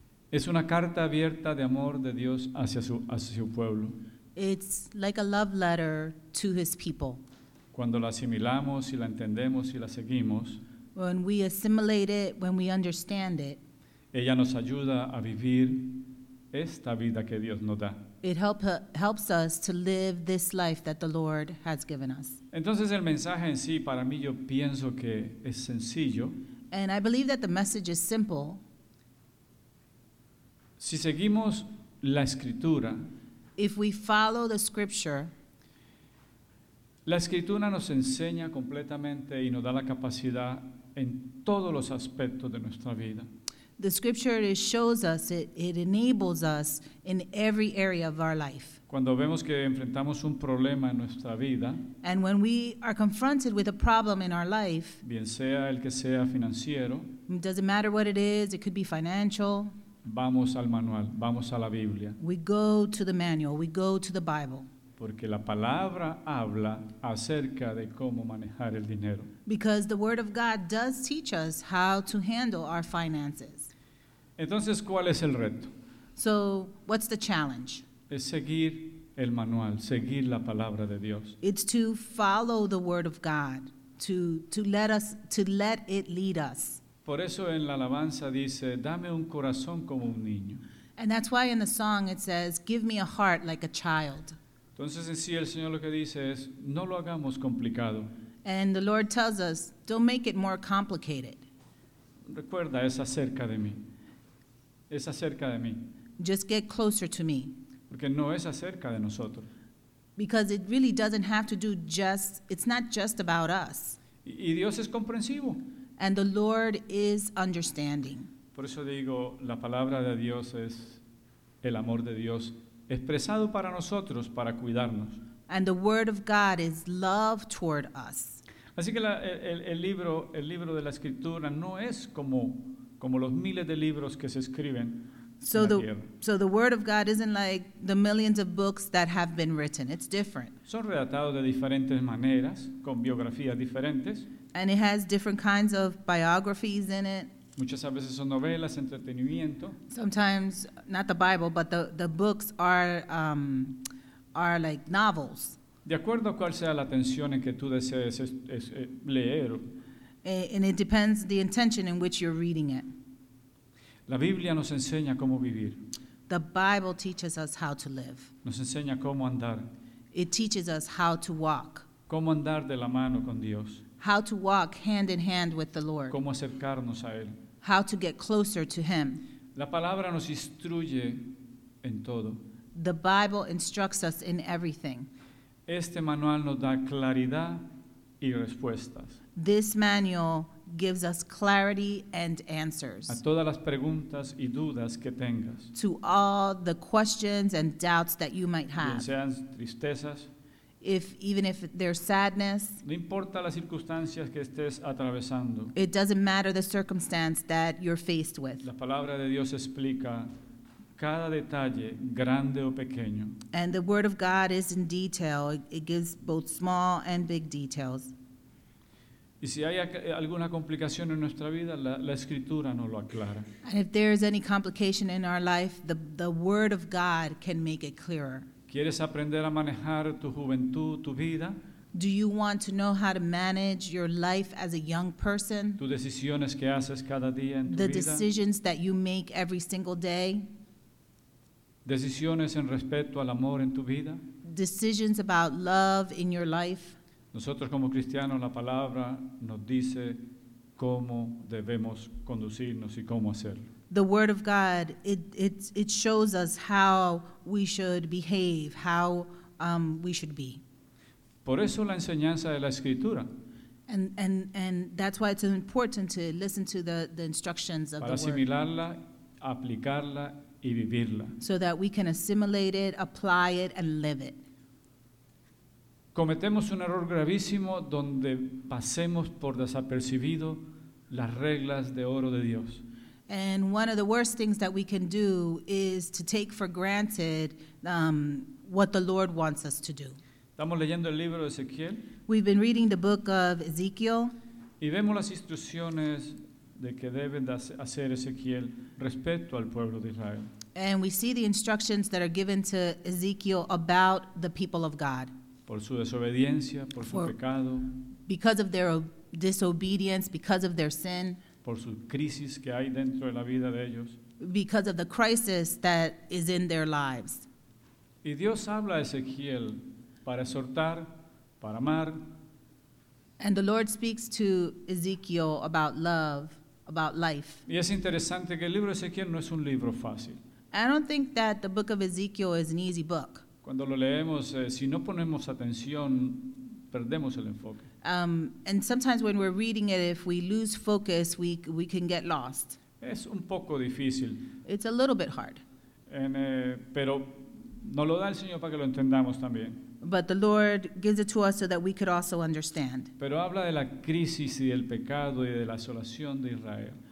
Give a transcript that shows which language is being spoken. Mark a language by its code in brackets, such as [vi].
[es] Es una carta abierta de amor de Dios hacia su pueblo. [en] It's like a love letter to His people. [es] Cuando la asimilamos y la entendemos y la seguimos, [en] when we assimilate it, when we understand it, [es] ella nos ayuda a vivir esta vida que Dios nos da. [en] It helps us to live this life that the Lord has given us. [es] Entonces el mensaje en sí, para mí, yo pienso que es sencillo. [en] And I believe that the message is simple. [es] Si seguimos la escritura, [en] if we follow the scripture, [es] la escritura nos enseña completamente y nos da la capacidad en todos los aspectos de nuestra vida. [en] The scripture shows us, it enables us in every area of our life. [es] Cuando vemos que enfrentamos un problema en nuestra vida, [en] and when we are confronted with a problem in our life, [es] bien sea el que sea financiero, [en] it doesn't matter what it is, it could be financial, [es] vamos al manual, vamos a la Biblia. [en] We go to the manual, we go to the Bible. [es] Porque la palabra habla acerca de cómo manejar el dinero. [en] Because the Word of God does teach us how to handle our finances. [es] Entonces, ¿cuál es el reto? [en] So, what's the challenge? [es] Es seguir el manual, seguir la palabra de Dios. [en] It's to follow the Word of God, to let it lead us. [es] Por eso en la alabanza dice, dame un corazón como un niño. [en] And that's why in the song it says, give me a heart like a child. [es] Entonces en sí el Señor lo que dice es, no lo hagamos complicado. [en] And the Lord tells us, don't make it more complicated. [es] Recuerda, es acerca de mí. Es acerca de mí. [en] Just get closer to me. [es] Porque no es acerca de nosotros. [en] Because it really doesn't have to do just, it's not just about us. [es] Y Dios es comprensivo. [en] And the Lord is understanding. [es] Por eso digo, la palabra de Dios es el amor de Dios expresado para nosotros, para cuidarnos. [en] And the Word of God is love toward us. [es] Así que el libro de la Escritura no es como los miles de libros que se escriben. [en] So the Word of God isn't like the millions of books that have been written. It's different. [es] Son redactados de diferentes maneras, con biografías diferentes. [en] And it has different kinds of biographies in it. [es] Muchas veces son novelas, entretenimiento. [en] Sometimes, not the Bible, but the books are like novels. [es] De acuerdo a cuál sea la atención en que tú desees leer. [en] And it depends the intention in which you're reading it. [es] La Biblia nos enseña cómo vivir. [en] The Bible teaches us how to live. [es] Nos enseña cómo andar. [en] It teaches us how to walk. [es] Cómo andar de la mano con Dios. [en] How to walk hand in hand with the Lord. [es] Cómo acercarnos a Él. [en] How to get closer to Him. [es] La palabra nos instruye en todo. [en] The Bible instructs us in everything. [es] Este manual nos da claridad y respuestas. [en] This manual gives us clarity and answers. [es] A todas las preguntas y dudas que tengas. [en] To all the questions and doubts that you might have. [es] Bien sean tristezas. [en] Even if there's sadness. [es] No importa las circunstancias que estés atravesando. [en] It doesn't matter the circumstance that you're faced with. [es] La palabra de Dios explica cada detalle, grande o pequeño. [en] And the word of God is in detail. It gives both small and big details. [es] Y si hay alguna complicación en nuestra vida, la escritura no lo aclara. [en] And if there is any complication in our life, the word of God can make it clearer. [es] ¿Quieres aprender a manejar tu juventud, tu vida? [en] Do you want to know how to manage your life as a young person? [es] Tus decisiones que haces cada día en tu vida. [en] The decisions that you make every single day. [es] Decisiones en respecto al amor en tu vida. [en] Decisions about love in your life. [es] Nosotros como cristianos la palabra nos dice cómo debemos conducirnos y cómo hacerlo. [en] The word of God, it shows us how we should behave, how we should be. [es] Por eso la enseñanza de la escritura. [en] And that's why it's important to listen to the instructions of the word. [es] Para asimilarla, aplicarla y vivirla. [en] So that we can assimilate it, apply it, and live it. [es] Cometemos un error gravísimo donde pasemos por desapercibido las reglas de oro de Dios. [en] And one of the worst things that we can do is to take for granted what the Lord wants us to do. [es] Estamos leyendo el libro de Ezequiel. [en] We've been reading the book of Ezekiel. [es] Y vemos las instrucciones de que debe hacer Ezequiel respecto al pueblo de Israel. [en] And we see the instructions that are given to Ezekiel about the people of God. [es] Por su desobediencia, por su pecado. [en] Because of their disobedience, because of their sin. [es] Por su crisis que hay dentro de la vida de ellos. [en] Because of the crisis that is in their lives. [es] Y Dios habla a Ezequiel para exhortar, para amar. [en] And the Lord speaks to Ezekiel about love, about life. [es] Y es interesante que el libro de Ezequiel no es un libro fácil. [en] I don't think that the book of Ezekiel is an easy book. [es] Cuando lo leemos, si no ponemos atención, perdemos el enfoque. [en] And sometimes when we're reading it, if we lose focus, we can get lost. [es] Es un poco difícil. [en] It's a little bit hard. [es] Pero nos lo da el Señor para que lo entendamos también. [en] But the Lord gives it to us so that we could also understand. [es] Pero habla de la crisis y del pecado y de la desolación de Israel.